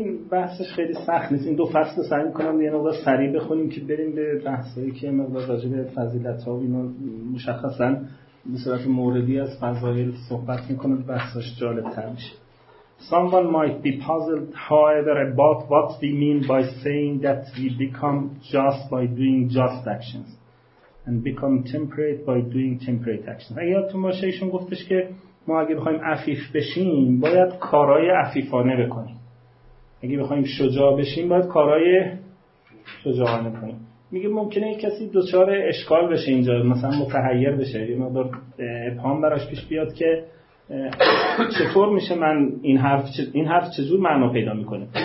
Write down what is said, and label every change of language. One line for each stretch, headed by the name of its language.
Persian: بحثش خیلی سخت نیست، این دو فصل رو سعی می‌کنم یه مقدار سریع بخونیم که بریم به بحثایی که مقدار راجع به فضیلت‌ها و اینا مشخصاً به صورت موردی از فضایل صحبت می‌کنه، بحثش جالب‌تر میشه.
English: Someone might be puzzled however about what we mean by saying that we become just by doing just actions and become temperate by doing temperate actions.
Persian: اگه یادتون باشه ایشون گفتش که ما اگه بخوایم عفیف بشیم باید کارهای عفیفانه بکنیم، اگه بخوایم شجاع بشیم باید کارهای شجاعانه کنیم. میگه ممکنه یک کسی دچار اشکال بشه اینجا، مثلا متحیر بشه، یه مقدار ابهام براش پیش بیاد که چطور میشه من این حرف چجور معنا پیدا میکنه.